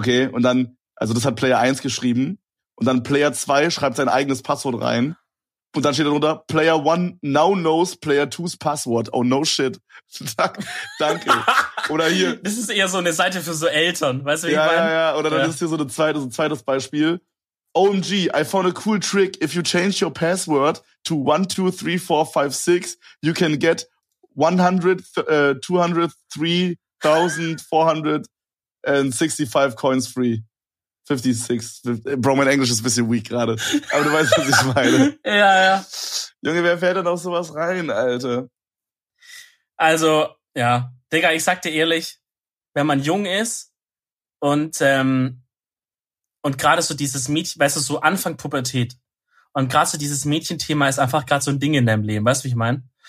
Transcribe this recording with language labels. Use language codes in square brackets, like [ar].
[de] Okay, und dann, also das hat Player 1 geschrieben. Und dann Player 2 schreibt sein eigenes Passwort rein. Und dann steht darunter, [en] Player 1 now knows Player 2's Password. Oh no shit. [de] Danke. Oder hier. Das ist eher so eine Seite für so Eltern. Weißt du, wie ich meine? Ja, ja, oder dann ist hier so ein zweites Beispiel. [en] OMG, I found a cool trick. If you change your password to 123456, you can get 103,465 coins free. 56. [de] Bro, mein Englisch ist ein bisschen weak gerade. Aber du weißt, was ich meine. Ja, ja. Junge, wer fährt denn auf sowas rein, Alter? Also, ja. Digga, ich sag dir ehrlich, wenn man jung ist und gerade so dieses Mädchen, weißt du, so Anfang Pubertät und gerade so dieses Mädchenthema ist einfach gerade so ein Ding in deinem Leben, weißt du, wie ich meine?